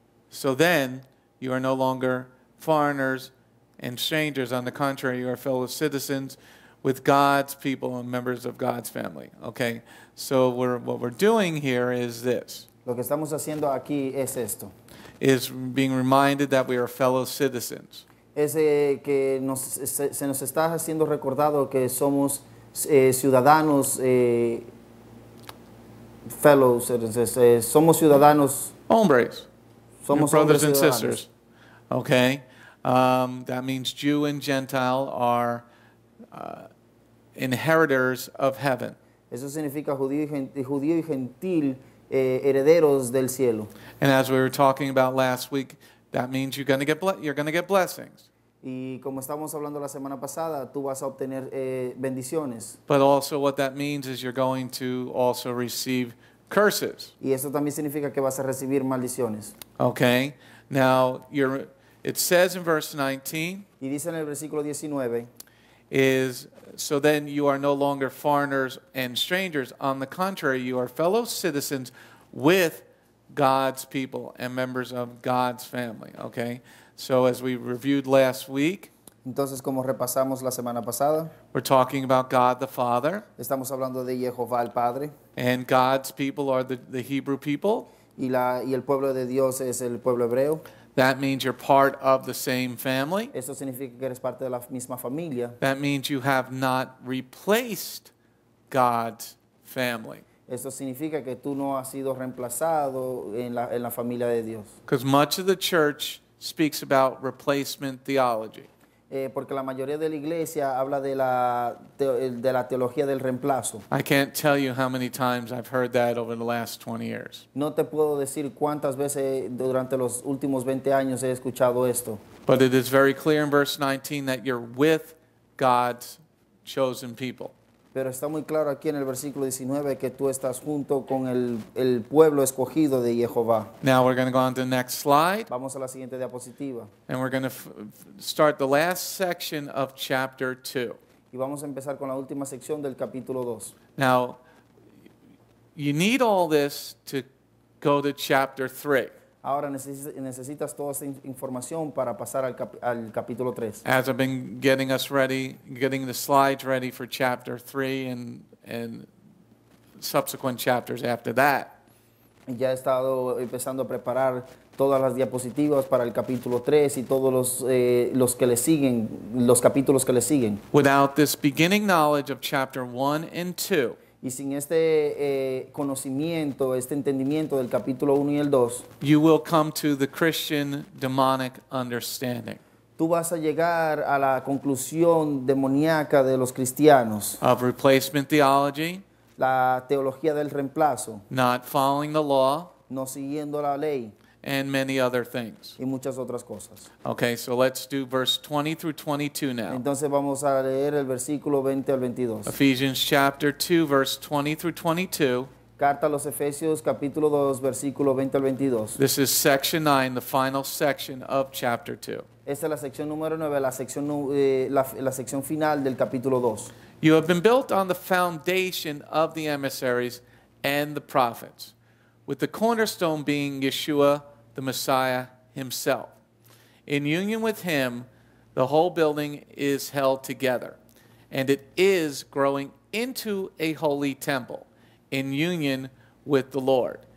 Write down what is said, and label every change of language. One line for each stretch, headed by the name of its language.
English: So then you are no longer foreigners and strangers. On the contrary, you are fellow citizens with God's people and members of God's family. Okay, so what we're doing here is this.
Spanish: Lo que estamos haciendo aquí es esto.
English: Is being reminded that we are fellow citizens.
Spanish: Es que nos, se nos está haciendo recordado que somos ciudadanos,
English: fellow citizens,
Spanish: somos ciudadanos. Hombres. Somos
English: brothers and sisters. Okay. That means Jew and Gentile are inheritors of heaven.
Spanish: Eso significa judío y gentil. Herederos del cielo.
English: And as we were talking about last week, that means you're going to get blessings.
Spanish: Y como estábamos hablando la semana pasada, tú vas a obtener bendiciones.
English: But also what that means is you're going to also receive curses.
Spanish: Y eso también significa que vas a recibir maldiciones.
English: Okay. Now, it says in verse 19,
Spanish: y dice en el versículo 19,
English: is so then you are no longer foreigners and strangers. On the contrary, you are fellow citizens with God's people and members of God's family. Okay? So as we reviewed last week,
Spanish: entonces, como repasamos la semana pasada,
English: we're talking about God the Father.
Spanish: Estamos hablando de Yehovah el Padre.
English: And God's people are the Hebrew people.
Spanish: Y el pueblo de Dios es el pueblo hebreo.
English: That means you're part of the same family.
Spanish: Eso significa que eres parte de la misma familia.
English: That means you have not replaced God's family.
Spanish: Eso significa que tú no has sido reemplazado en la familia de Dios.
English: Because much of the church speaks about replacement theology.
Spanish: Porque la mayoría de la iglesia habla de la teología del reemplazo.
English: I can't tell you how many times I've heard that over the last 20 years.
Spanish: No te puedo decir cuántas veces durante los últimos 20 años he escuchado esto.
English: But it is very clear in verse 19 that you're with God's chosen people.
Spanish: Pero está muy claro aquí en el versículo 19 que tú estás junto con el pueblo escogido de Jehová.
English: Now we're going to go on to the next slide.
Spanish: Vamos a la siguiente diapositiva.
English: And we're going to start the last section of chapter 2.
Spanish: Y vamos a empezar con la última sección del capítulo 2.
English: Now, you need all this to go to chapter 3.
Spanish: Ahora necesitas toda esa información para pasar al capítulo 3.
English: As I've been getting us ready, getting the slides ready for chapter 3 and subsequent chapters after that.
Spanish: Ya he estado empezando a preparar todas las diapositivas para el capítulo 3 y todos los que le siguen, los capítulos que le siguen.
English: Without this beginning knowledge of chapter 1 and 2.
Spanish: Y sin este conocimiento, este entendimiento del capítulo 1 y el 2,
English: you will come to the Christian demonic understanding.
Spanish: Tú vas a llegar a la conclusión demoníaca de los cristianos.
English: Of replacement theology.
Spanish: La teología del reemplazo.
English: Not following the law.
Spanish: No siguiendo la ley.
English: And many other things.
Spanish: Y muchas otras cosas.
English: Okay, so let's do verse 20 through 22 now.
Spanish: Entonces vamos a leer el versículo 20 al 22.
English: Ephesians chapter 2, verse 20 through 22.
Spanish: Carta a los Efesios, capítulo 2, versículo 20 al 22.
English: This is section 9, the final section of chapter 2.
Spanish: Esta es la sección número 9, la sección final del capítulo 2.
English: You have been built on the foundation of the emissaries and the prophets, with the cornerstone being Yeshua, the Messiah himself. In union with him, the whole building is held together, and it is growing into a holy temple in union with the Lord.